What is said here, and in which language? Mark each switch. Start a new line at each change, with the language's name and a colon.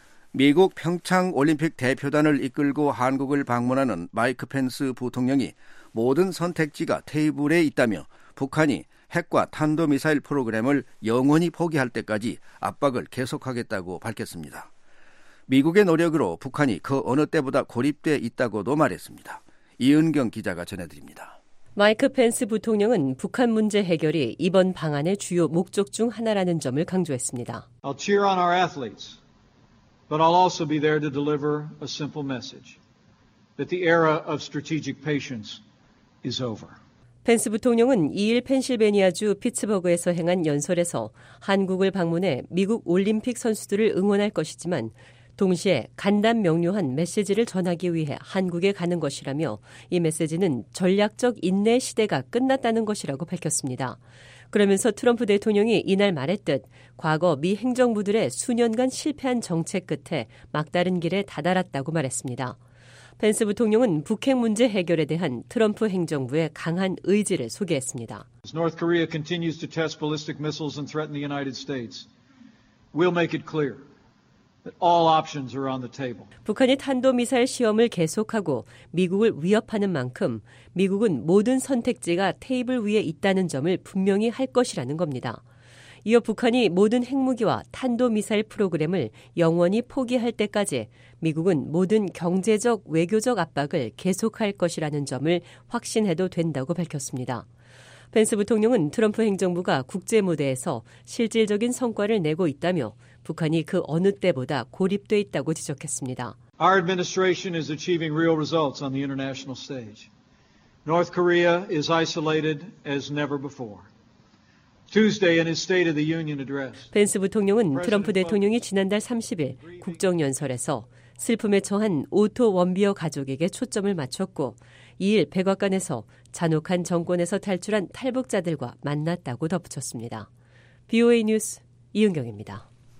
Korean: 미국 평창 올림픽 대표단을 이끌고 한국을 방문하는 마이크 펜스 부통령이 모든 선택지가 테이블에 있다며 북한이 핵과 탄도미사일 프로그램을 영원히 포기할 때까지 압박을 계속하겠다고 밝혔습니다. 미국의 노력으로 북한이 그 어느 때보다 고립돼 있다고도 말했습니다. 이은경 기자가 전해드립니다. 마이크 펜스 부통령은 북한 문제 해결이 이번 방안의 주요 목적 중 하나라는 점을 강조했습니다.
English: I'll cheer on our athletes, but I'll also be there to deliver a simple message that the era of strategic patience is over.
Korean: 펜스 부통령은 2일 펜실베니아주 피츠버그에서 행한 연설에서 한국을 방문해 미국 올림픽 선수들을 응원할 것이지만 동시에 간단 명료한 메시지를 전하기 위해 한국에 가는 것이라며 이 메시지는 전략적 인내 시대가 끝났다는 것이라고 밝혔습니다. 그러면서 트럼프 대통령이 이날 말했듯 과거 미 행정부들의 수년간 실패한 정책 끝에 막다른 길에 다다랐다고 말했습니다. 펜스 부통령은 북핵 문제 해결에 대한 트럼프 행정부의 강한 의지를 소개했습니다.
English: North Korea continues to test ballistic missiles and threaten the United States. We'll make it clear that all options are on the table.
Korean: 북한이 탄도 미사일 시험을 계속하고 미국을 위협하는 만큼 미국은 모든 선택지가 테이블 위에 있다는 점을 분명히 할 것이라는 겁니다. 이어 북한이 모든 핵무기와 탄도미사일 프로그램을 영원히 포기할 때까지 미국은 모든 경제적, 외교적 압박을 계속할 것이라는 점을 확신해도 된다고 밝혔습니다. 펜스 부통령은 트럼프 행정부가 국제무대에서 실질적인 성과를 내고 있다며 북한이 그 어느 때보다 고립돼 있다고 지적했습니다.
English: Our administration is achieving real results on the international stage. North Korea is isolated as never before. Tuesday in his State of the Union address.
Korean: 펜스 부통령은 트럼프 대통령이 지난달 30일 국정연설에서 슬픔에 처한 오토 원비어 가족에게 초점을 맞췄고 2일 백악관에서 잔혹한 정권에서 탈출한 탈북자들과 만났다고 덧붙였습니다. BOA 뉴스 이은경입니다.